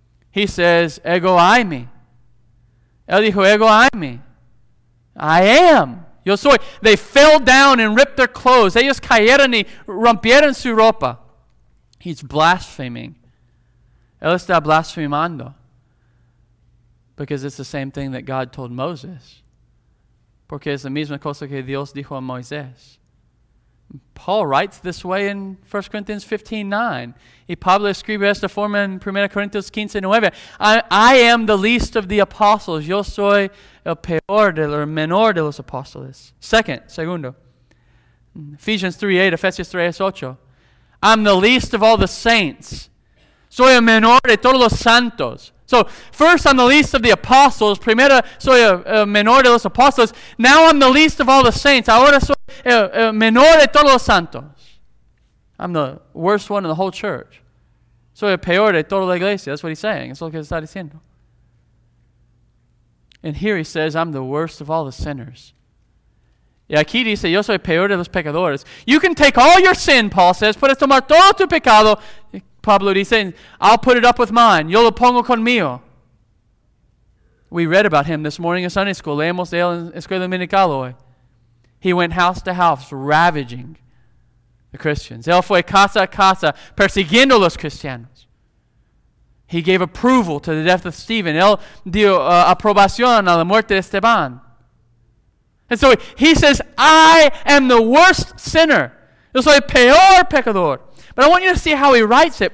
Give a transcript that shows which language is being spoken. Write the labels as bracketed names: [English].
[English] He says, ego aimi. [Spanish] Él dijo, ego aimi. [English] I am. [Spanish] Yo soy. [English] They fell down and ripped their clothes. [Spanish] Ellos cayeron y rompieron su ropa. [English] He's blaspheming. [Spanish] Él está blasfemando. [English] Because it's the same thing that God told Moses. Porque es la misma cosa que Dios dijo a Moisés. Paul writes this way in 1 Corinthians 15:9. [Spanish] Y Pablo escribe esta forma en 1 Corinthians 15:9. [English] I am the least of the apostles. [Spanish] Yo soy el peor del menor de los apóstoles. Segundo. Ephesians 3:8, Ephesians 3:8. [English] I'm the least of all the saints. [Spanish] Soy el menor de todos los santos. [English] So, first I'm the least of the apostles. [Spanish] Primero, soy el menor de los apóstoles. [English] Now I'm the least of all the saints. [Spanish] Ahora soy el menor de todos los santos. [English] I'm the worst one in the whole church. [Spanish] Soy el peor de toda la iglesia. [English] That's what he's saying. That's what he's saying. And here he says, I'm the worst of all the sinners. [Spanish] Y aquí dice, yo soy el peor de los pecadores. [English] You can take all your sin, Paul says. [Spanish] Puedes tomar todo tu pecado. Pablo dice, [English] I'll put it up with mine. [Spanish] Yo lo pongo conmigo. [English] We read about him this morning in Sunday school. [Spanish] Leemos de él en Escuela Dominical hoy. [English] He went house to house, ravaging the Christians. [Spanish] Él fue casa a casa, persiguiendo los cristianos. [English] He gave approval to the death of Stephen. [Spanish] Él dio aprobación a la muerte de Esteban. [English] And so he says, I am the worst sinner. [Spanish] Yo soy el peor pecador. [English] But I want you to see how he writes it.